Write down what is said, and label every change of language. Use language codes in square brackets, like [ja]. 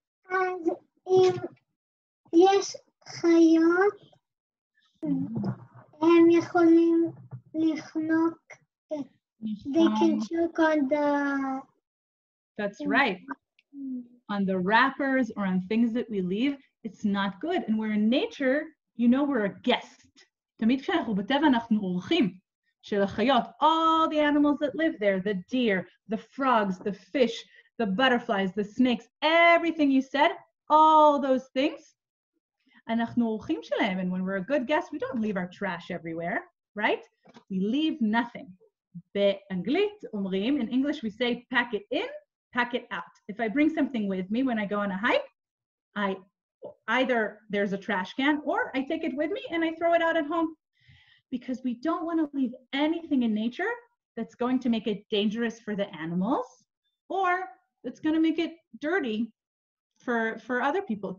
[he] אז אם יש חיות, הם יכולים לחנוק, [en] they can choke on the... That's right. On the wrappers or on things that we leave, it's not good. And we're in nature, you know we're a guest. [he] תמיד כשאנחנו בטבע אנחנו אורחים של החיות, [en] all the animals that live there, the deer, the frogs, the fish, the butterflies, the snakes, everything you said, all those things, [he] אנחנו אורחים שלהם, [en] and when we're a good guest, we don't leave our trash everywhere, right? We leave nothing. [he] באנגלית אומרים, [en] in English we say pack it in, pack it out. If I bring something with me when I go on a hike, I either there's a trash can, or I take it with me and I throw it out at home. Because we don't want to leave anything in nature that's going to make it dangerous for the animals, or that's going to make it dirty for other people.